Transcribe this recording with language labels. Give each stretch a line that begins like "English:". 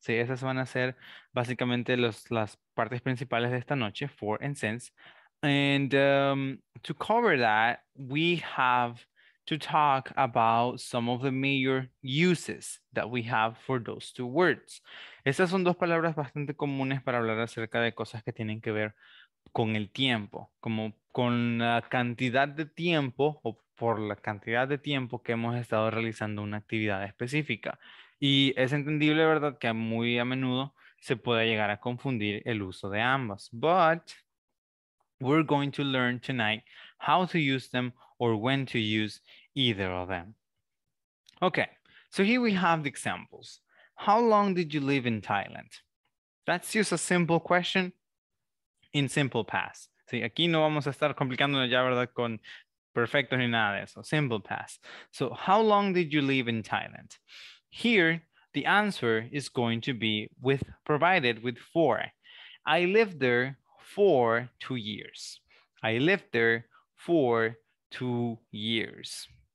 Spanish: Sí, esas van a ser básicamente las partes principales de esta noche, four and since.
English: And to cover that, we have to talk about some of the major uses that we have for those two words.
Spanish: Esas son dos palabras bastante comunes para hablar acerca de cosas que tienen que ver con el tiempo, como con la cantidad de tiempo o por la cantidad de tiempo que hemos estado realizando una actividad específica. Y es entendible, ¿verdad?, que muy a menudo se puede llegar a confundir el uso de ambas.
English: But we're going to learn tonight how to use them or when to use either of them. Okay, so here we have the examples. How long did you live in Thailand? That's just a simple question in simple past.
Spanish: Sí, aquí no vamos a estar complicándonos ya, ¿verdad?, con perfecto ni nada de eso.
English: Simple past. So how long did you live in Thailand? Here, the answer is going to be provided with for. I lived there for 2 years. I lived there for 2 years.